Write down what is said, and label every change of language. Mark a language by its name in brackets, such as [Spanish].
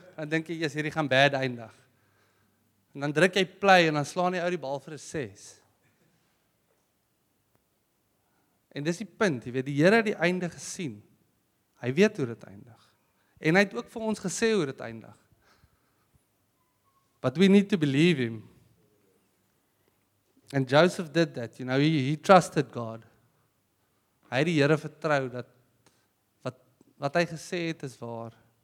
[Afrikaans] Dan dink jy, hierdie gaan bad eindig. En dan druk jy play en dan slaan jy uit die bal vir 'n 6. En dis die punt, jy weet, die Here het die einde gesien. Hy weet hoe dit eindig. En hy het ook vir ons gesê hoe dit eindig. [English] But we need to believe him. And Joseph did that, you know, he trusted God. [Afrikaans] Hy het die Here vertrou dat wat hy gesê het is waar.